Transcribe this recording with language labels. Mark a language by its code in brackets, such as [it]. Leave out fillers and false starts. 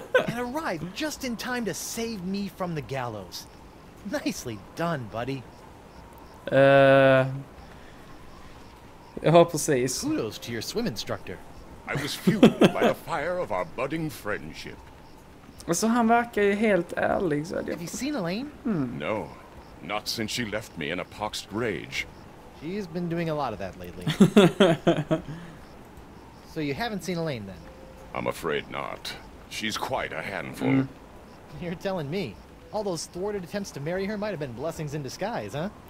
[en] And arrived just in time to save me from the gallows. Nicely done, buddy. [sv] Ja, precis. [en] Kudos to your swim instructor. I was fueled by the fire of our budding friendship. [sv] Och så han verkar ju helt ärlig. Så [en] have you seen Elaine? No. Not since she left me in a poxed rage. She's been doing a lot of that lately. So you haven't seen Elaine then? I'm afraid not. She's quite a handful. You're telling me. All those thwarted attempts to marry her might have been blessings in disguise, huh?